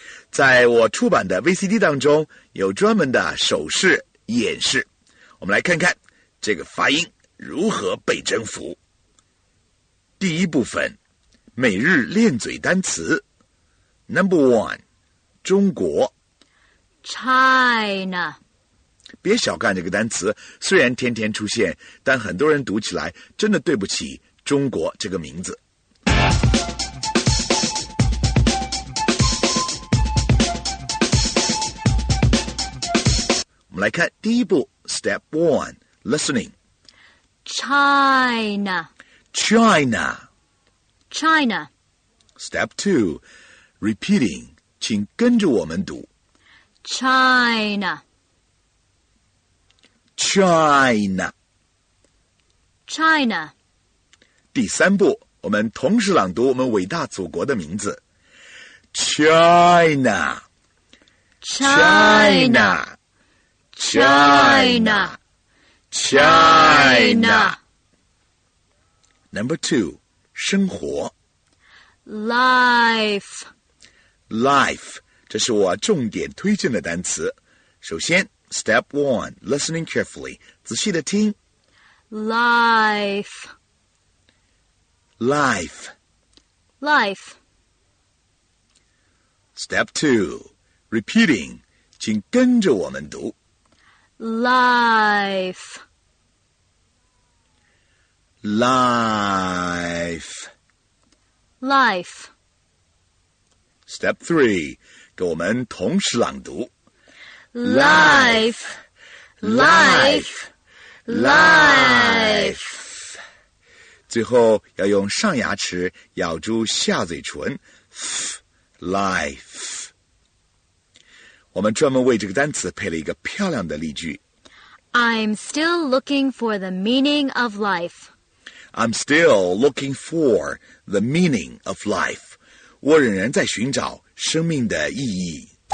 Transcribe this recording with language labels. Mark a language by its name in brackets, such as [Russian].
[Chinese] 在我出版的 VCD 当中，有专门的手势演示，我们来看看这个发音如何被征服。第一部分，每日练嘴单词。 [English] Number one， 中国 China。 [Chinese] 别小看这个单词，虽然天天出现，但很多人读起来真的对不起中国这个名字。我们来看第一步 ， [English] Step One， Listening。 China， China， China。 Step Two， Repeating， [Chinese] 请跟着我们读。 [English] China， China， China。 [Chinese] 第三步，我们同时朗读我们伟大祖国的名字 ，China， [English] China。 China, China, China. Number two, 生活 Life. [Chinese] Life, 这是我重点推荐的单词。 [English] 首先 ,Step one, listening carefully, [Chinese] 仔细的听。 [English] Life. Life. Life. Step two, repeating, [Chinese] 请跟着我们读。 [English] Life. Life. Life. Step three, [Chinese] 跟我们同时朗读。 [English] Life. Life. Life. [Chinese] 最后要用上牙齿咬住下嘴唇。 [English] Life. [Chinese] 我们专门为这个单词配了一个漂亮的例句。 [English] I'm still looking for the meaning of life. I'm still looking for the meaning of life. [Chinese] 我仍然在寻找生命的意义。